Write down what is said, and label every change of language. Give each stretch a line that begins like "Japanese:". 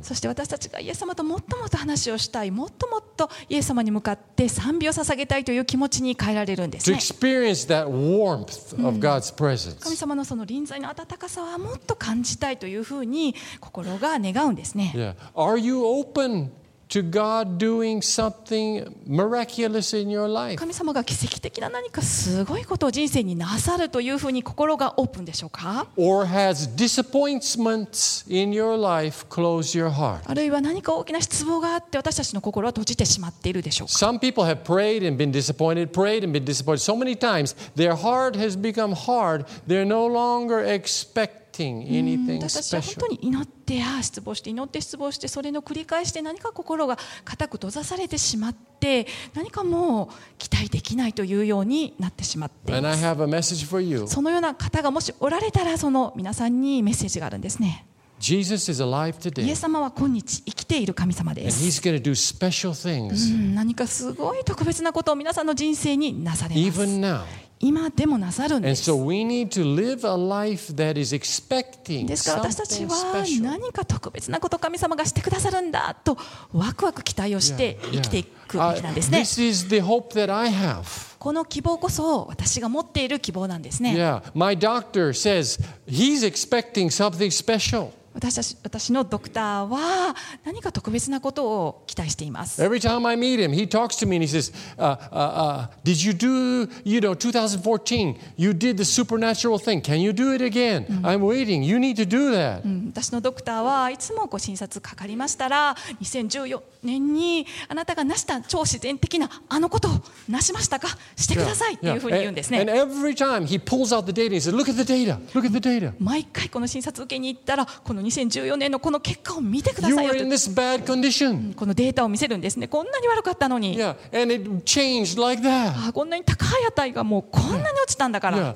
Japanese: そして私たちがイエス様ともっともっと話をしたい、もっともっとイエス様に向かって賛美を捧げたいという気持ちに変えられるんですね。
English: To experience that warmth of God's presence.
Japanese: 神様のその臨在の温かさはもっと感じたいというふうに心が願うんですね。
English: Yeah, are you open? To God doing something miraculous in your life.
Japanese: 神様が奇跡的な何かすごいことを人生になさるというふうに心がオープンでしょうか?
English: Or has disappointments in your life closed your heart?
Japanese: あるいは何か大きな失望があって私たちの心は閉じてしまっているでしょうか?
English: Some people have prayed and been disappointed so many times. Their heart has become hard. They're no longer expecting anything special.
Japanese: 失望して祈って失望してそれの繰り返して何か心が固く閉ざされてしまって何かもう期待できないというようになってしまっています。
English: And I have a message for you.
Japanese: そのような方がもしおられたらその皆さんにメッセージがあるんですね。
English: Jesus is alive today.
Japanese: イエス様は今日生きている神様です。
English: And he's going to do special things.
Japanese: 何かすごい特別なことを皆さんの人生になされます。
English: Even now.
Japanese: 今でもなさるんです。
English: And so we need to live a life that is expecting something special.
Japanese: ですから私たちは何か特別なことを神様がしてくださるんだとワクワク期待をして生きていくべきなんですね。
English: This is the hope that I have.
Japanese: この希望こそ私が持っている希望なんですね。
English: Yeah, my doctor says he's expecting something special.
Japanese: 私のドクターは何か特別なことを期待しています。
English: Every time I meet him, he talks to me and he says, did you do, you know, 2014, you did the supernatural thing. Can you do it again? I'm waiting. You need to do that.、
Japanese: 私のドクターはいつもご診察かかりましたら、2014年にあなたが成した超自然的なあのことを成しましたか? してくださいっていうふうに言うんですね。
English: And every time he pulls out the data, he says, look at the data. Look at the data.
Japanese: 毎回この診察受けに行ったら、この2014年のこの結果を見てくださいよ。
English: You were in this bad condition.
Japanese: このデータを見せるんですね。こんなに悪かったのに。
English: Yeah, and it changed like that.
Japanese: こんなに高い値がもうこんなに落ちたんだから。